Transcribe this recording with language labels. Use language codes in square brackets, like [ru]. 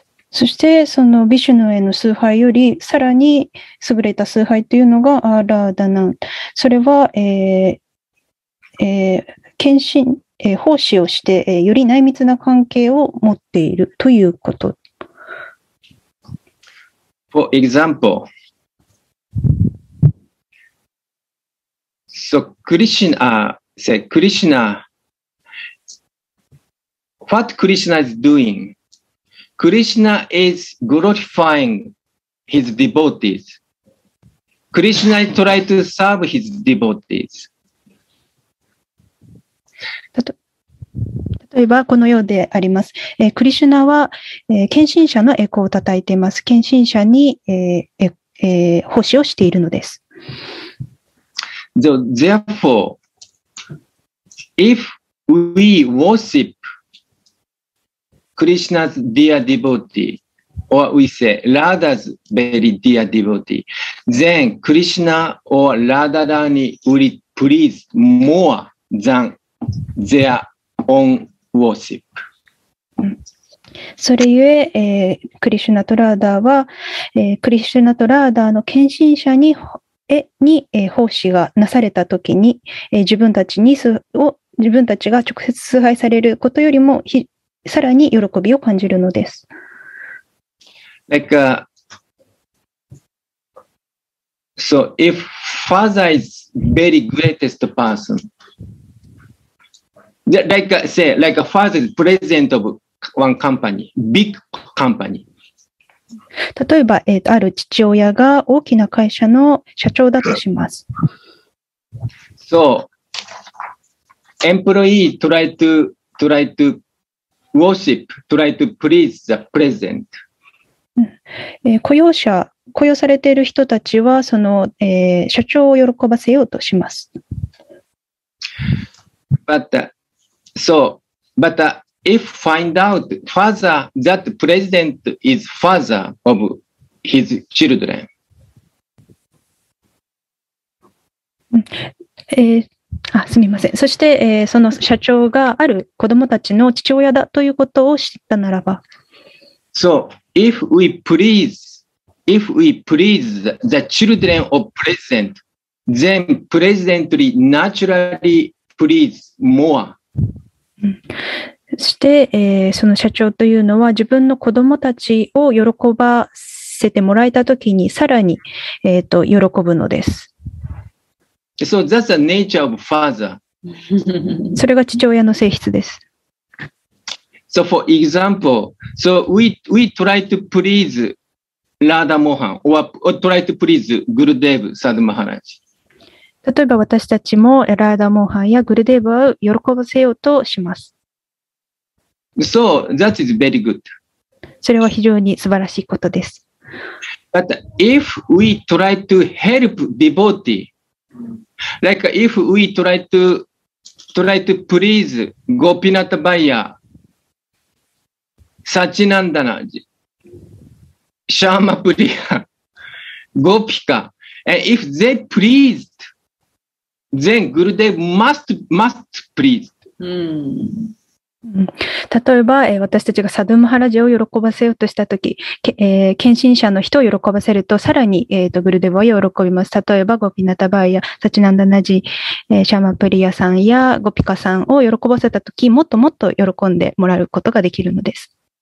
[ja] そしてそのビシュヌへの崇拝よりさらに優れた崇拝というのがアーラーダナン。それは、献身、奉仕をして、より内密な関係を持っているということ。 [en] For example, so Krishna, say Krishna, what Krishna is doing? Krishna is glorifying his devotees. Krishna is trying to serve his devotees. [ja] 例えばこのようであります。クリシュナは、献身者の栄光を称えています。献身者に、奉仕をしているのです。 [en] So, therefore if we worship Krishna's dear devotee or we say Radha's very dear devotee then Krishna or Radha Rani will please more than their ownWorship. [ja] それゆえ、クリシュナとラーダーは、クリシュナとラーダーの献身者 に、奉仕がなされたときに、自分たちに自分たちが直接崇拝されることよりもさらに喜びを感じるのです。 [en] Like, So if father is very greatest person, like say, like a father is president of one company, big company. [ja] 例えば、ある父親が大きな会社の社長だとします。 [en] So, employee try to worship, try to please the president. [ja] 雇用者、雇用されている人たちはその、社長を喜ばせようとします。 [en] If find out father that president is father of his children. [ja] すみません。そして、その社長がある子供たちの父親だということを知ったならば。 [en] So, if we please the children of president, then presidently naturally please more. [ja] そして、その社長というのは自分の子供たちを喜ばせてもらえたときにさらに、喜ぶのです。 [en] So that's the nature of father. [ja] それが父親の性質です。 [en] So for example, so we try to please Radha Mohan or try to please Gurudev Sadhu Maharaj. [ja] 例えば私たちもラーダモーハンやグルデーヴァを喜ばせようとします。 [en] So, that is very good. [ja] それは非常に素晴らしいことです。 [en] But if we try to help devotee, like if we try to please Gopinatha Bhaiya, Sachinandana, Shama Priya, Gopika, and if they pleased, then Gurudev must please. [ja] 例えば私たちがサドゥ・マハラジを喜ばせようとしたとき、献身者の人を喜ばせるとさらに、グルデヴは喜びます。例えばゴピナタバーやサチナンダナジ、シャマプリヤさんやゴピカさんを喜ばせたときもっともっと喜んでもらうことができるのです。